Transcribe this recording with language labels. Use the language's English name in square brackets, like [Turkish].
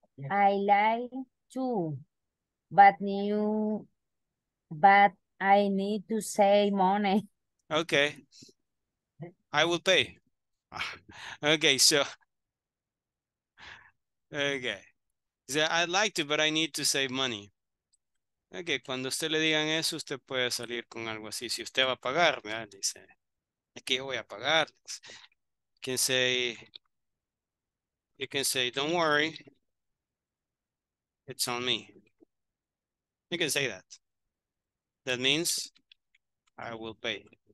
[English] I like to, but I need to save money. Okay. I will pay. Okay, so. Okay. So I'd like to, but I need to save money. [Spanish] Okay, cuando usted le digan eso, usted puede salir con algo así. Si usted va a pagar, ¿verdad? Dice, aquí voy a pagar. [English] You can say, don't worry, it's on me. You can say that. That means I will pay.